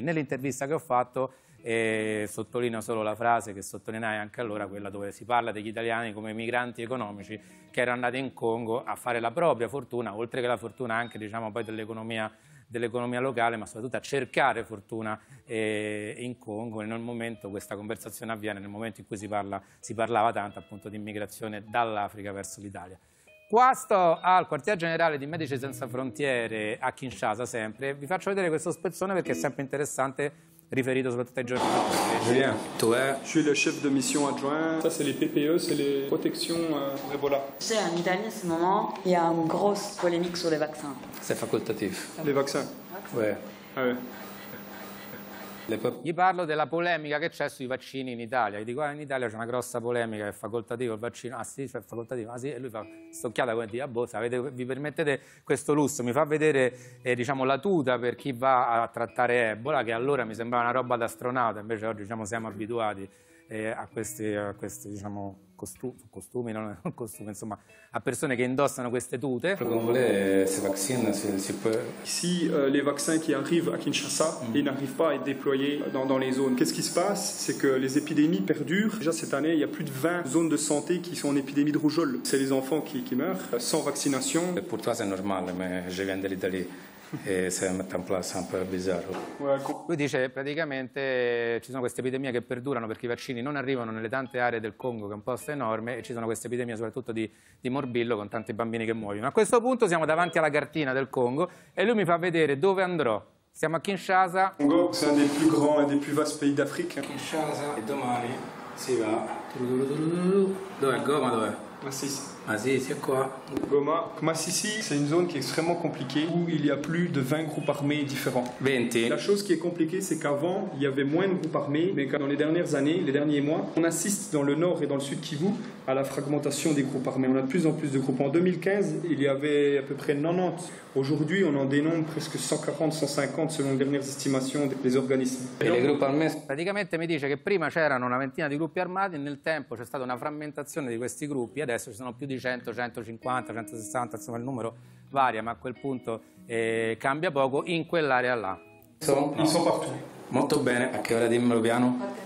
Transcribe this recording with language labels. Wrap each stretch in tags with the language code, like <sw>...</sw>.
<it>Nell'intervista che ho fatto, sottolineo solo la frase che sottolineai anche allora, quella dove si parla degli italiani come migranti economici che erano andati in Congo a fare la propria fortuna, oltre che la fortuna anche, diciamo, poi dell'economia locale, ma soprattutto a cercare fortuna in Congo. E nel momento, questa conversazione avviene nel momento in cui si parlava tanto appunto di immigrazione dall'Africa verso l'Italia. Qua sto al quartier generale di Medici Senza Frontiere a Kinshasa, sempre vi faccio vedere questo spezzone perché è sempre interessante, riferito soprattutto ai giorni. Julien, tu è?</it> <fr>Je suis le chef de mission adjoint. Ça c'est les PPE, c'est les protections Ebola.</fr> <it>Sì, in Italia in questo momento</it> <fr>il y a une grosse polémique sur les vaccins. C'est facultatif. Les vaccins. Ouais. Ouais.</fr> <it>Gli parlo della polemica che c'è sui vaccini in Italia. Gli dico, in Italia c'è una grossa polemica, è facoltativo il vaccino? Ah sì, è facoltativo, ah sì. E lui fa stocchiata come dire, boh, vi permettete questo lusso? Mi fa vedere diciamo, la tuta per chi va a trattare Ebola, che allora mi sembrava una roba d'astronauta, invece oggi diciamo, siamo abituati a questi diciamo, costumi, non costumi, insomma, a persone che indossano queste tute.</it> <fr>Si les vaccins qui arrivent à Kinshasa et n'arrivent pas à être déployés dans les zones. Qu'est-ce qui se passe? C'est que les épidémies perdurent. Déjà cette année, il y a plus de 20 zones de santé qui sont en épidémie de rougeole. C'est les enfants qui meurent sans vaccination. Et pour toi, c'est normal, mais je viens de l'Italie.</fr> <it>E se mette in place un po' bizzarro. Lui dice praticamente ci sono queste epidemie che perdurano perché i vaccini non arrivano nelle tante aree del Congo, che è un posto enorme, e ci sono queste epidemie soprattutto di morbillo, con tanti bambini che muoiono. A questo punto siamo davanti alla cartina del Congo e lui mi fa vedere dove andrò. Siamo a Kinshasa. Congo è uno dei più grandi e dei più vasti paesi d'Africa. Kinshasa. E domani si va. Dove è Goma? Dove? Massissi,</it> <fr>c'est quoi? Goma. Massissi, c'est une zone qui est extrêmement compliquée où il y a plus de 20 groupes armés différents. 20. La chose qui est compliquée, c'est qu'avant, il y avait moins de groupes armés, mais dans les dernières années, les derniers mois, on assiste dans le nord et dans le sud Kivu à la fragmentation des groupes armés. On a de plus en plus de groupes. En 2015, il y avait à peu près 90. Aujourd'hui, on en dénombre presque 140, 150 selon les dernières estimations des organismes. Et les groupes armés?</fr> <it>Praticamente mi dice che prima c'erano una ventina di gruppi armati, nel tempo c'è stata una frammentazione di questi gruppi, adesso ci sono più di 100, 150, 160, insomma il numero varia, ma a quel punto cambia poco in quell'area là. Sono partiti. Molto bene, a che ora, dimmelo piano?</it>